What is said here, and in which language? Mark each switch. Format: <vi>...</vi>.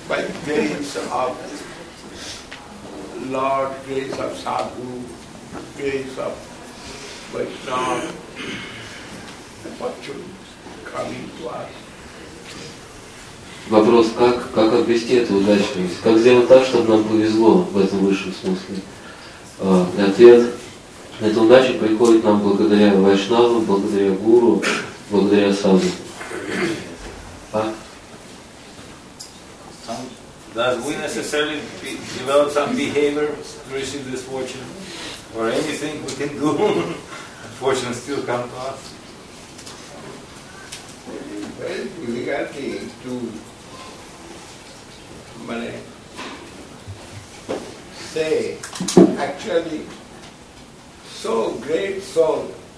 <en>By gaze of Lord, gaze of Sadhu, gaze of Vaishnava, Fortune coming to us.</en> <ru>Вопрос, как обрести эту удачливость? Как сделать так, чтобы нам повезло в этом высшем смысле? Ответ. Эта удача приходит нам благодаря Вайшнаву, благодаря Гуру, благодаря Саду. А?</ru> <en>Does we necessarily develop some behavior to receive this fortune? Or anything we can do? Fortune still come to us? Well, we got to say, actually, so great soul,</en>